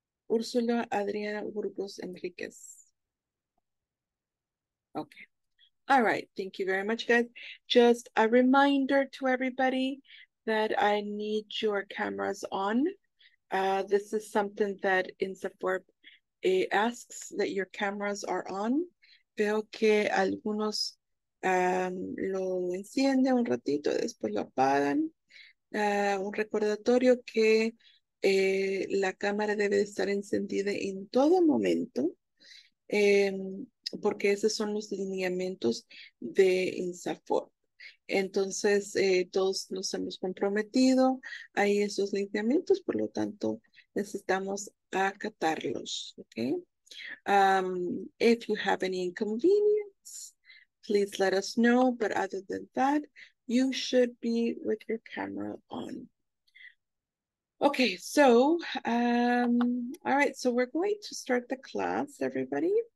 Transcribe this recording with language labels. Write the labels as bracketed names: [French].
[English] Úrsula Adriana Burgos Enríquez. Okay. All right, thank you very much, guys. Just a reminder to everybody that I need your cameras on. This is something that INSAFORP asks that your cameras are on. [Spanish] Veo que algunos lo encienden un ratito, después lo apagan. Un recordatorio que la cámara debe estar encendida en todo momento. Porque esos son los lineamientos de INSAFORP. Entonces, todos nos hemos comprometido a esos lineamientos, por lo tanto, necesitamos acatarlos. [English] Okay? If you have any inconvenience, please let us know. But other than that, you should be with your camera on. Okay, so, all right, so we're going to start the class, everybody.